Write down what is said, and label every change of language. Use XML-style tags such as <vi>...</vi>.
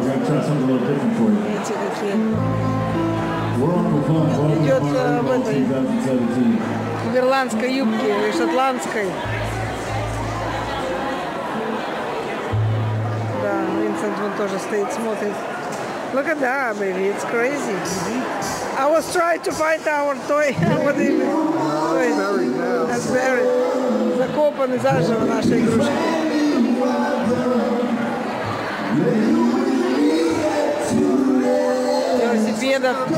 <ru>Видите, какие. Идет в этой в ирландской юбке или шотландской. Да, Винсент вон тоже стоит, смотрит.</ru> <en>Look at that, baby, it's crazy. I was trying to find our toy. What is it? That's buried.</en> <ru>Закопаны заживо наши игрушки. Велосипедов.</ru>